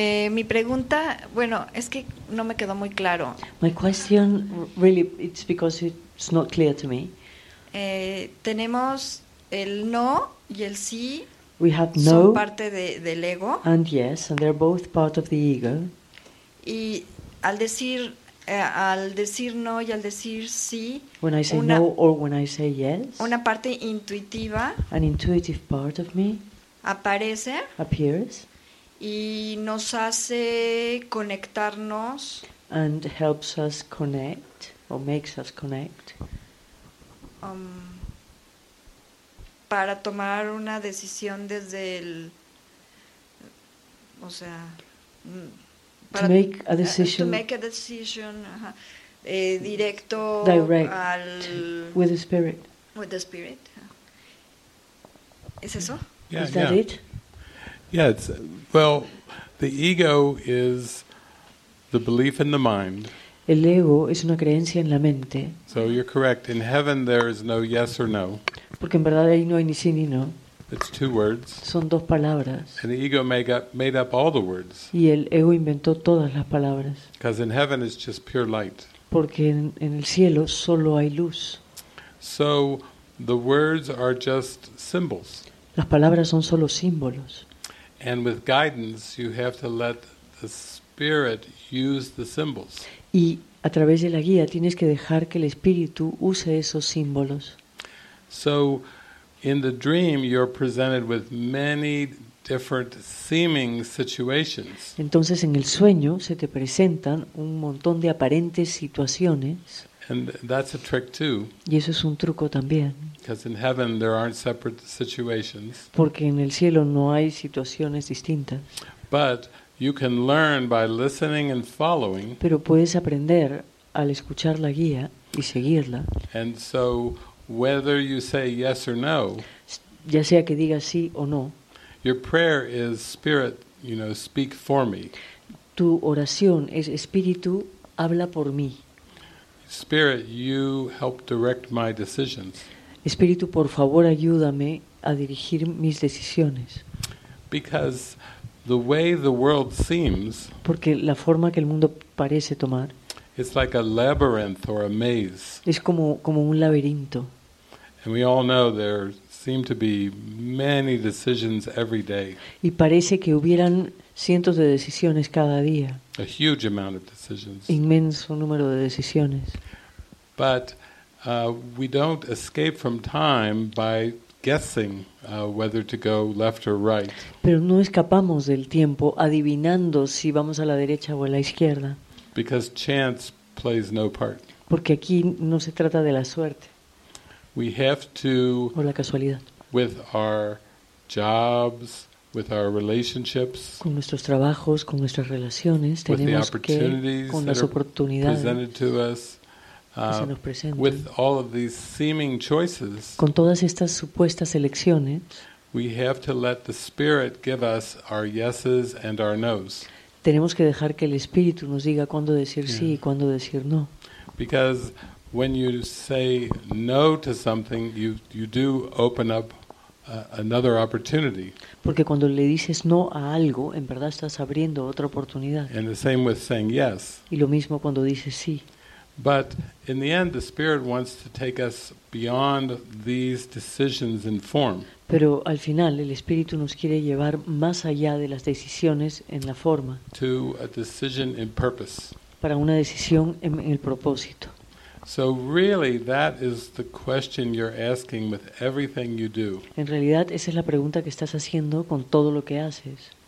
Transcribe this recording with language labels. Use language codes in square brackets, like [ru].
[es] Mi pregunta, bueno, es que no me quedó muy claro. [en] My question, really, it's because it's not clear to me. [es] Tenemos el no y el sí. [en] We have no. [es] Son parte del ego. [en] And yes, and they're both part of the ego. [es] Y al decir no y al decir sí. [en] When I say no or when I say yes. [es] Una parte intuitiva. [en] An intuitive part of me. [es] Aparece. [en] Appears. [es] Y nos hace conectarnos. [en] And helps us connect, or makes us connect. [es] Para tomar una decisión desde el... O sea... [en] Para, to make a decision. To make a decision. Directo direct [es] al... [en] With the spirit. With the spirit. [es] ¿Es eso? [en] Yeah, is that yeah. it? Yeah, it's... Well, the ego is the belief in the mind. [es] El ego es una creencia en la mente. [en] So you're correct. In heaven, there is no yes or no. [es] Porque en verdad ahí no hay ni sí ni no. [en] It's two words. [es] Son dos palabras. [en] And the ego made up all the words. [es] Y el ego inventó todas las palabras. [en] Because in heaven it's just pure light. [es] Porque en el cielo solo hay luz. [en] So the words are just symbols. [es] Las palabras son solo símbolos. [en] And with guidance, you have to let the spirit use the symbols. [es] Y a través de la guía, tienes que dejar que el espíritu use esos símbolos. [en] So, in the dream, you're presented with many different seeming situations. [es] Entonces, en el sueño, se te presentan un montón de aparentes situaciones. [en] And that's a trick too. [es] Y eso es un truco también. [en] Because in heaven there aren't separate situations. [es] Porque en el cielo no hay situaciones distintas. [en] But you can learn by listening and following. [es] Pero puedes aprender al escuchar la guía y seguirla. [en] And so whether you say yes or no, [es] ya sea que digas sí o no, [en] your prayer is spirit, you know, speak for me. [es] Tu oración es espíritu, habla por mí. [en] Spirit, you help direct my decisions. [es] Espíritu, por favor, ayúdame a dirigir mis decisiones. [en] Because the way the world seems, [es] porque la forma que el mundo parece tomar, [en] it's like a labyrinth or a maze. [es] Es como un laberinto. [en] And we all know there seem to be many decisions every day. [es] Y parece que hubieran cientos de decisiones cada día. [en] A huge amount of decisions. [es] Inmenso número de decisiones. [en] But we don't escape from time by guessing whether to go left or right. [es] Pero no escapamos del tiempo adivinando si vamos a la derecha o a la izquierda. [en] Because chance plays no part. [es] Porque aquí no se trata de la suerte. [en] We have to. [es] O la casualidad. [en] With our jobs, with our relationships. [es] Con nuestros trabajos, con nuestras relaciones, tenemos que con las oportunidades [en] presented to us. With all of these seeming choices, [es] con todas estas supuestas elecciones, [en] we have to let the spirit give us our yeses and our noes. [es] Tenemos que dejar que el espíritu nos diga cuándo decir sí y cuándo decir no. [en] Because when you say no to something, you do open up another opportunity. [es] Porque cuando le dices no a algo, en verdad estás abriendo otra oportunidad. [en] And the same with saying yes. [es] Y lo mismo cuando dices sí. [en] But in the end, the spirit wants to take us beyond these decisions in form. [es] Pero al final, el espíritu nos quiere llevar más allá de las decisiones en la forma. [en] To a decision in purpose. [es] Para una decisión en el propósito. [en] So really, that is the question you're asking with everything you do. [es] En realidad, esa es la pregunta que estás haciendo con todo lo que haces.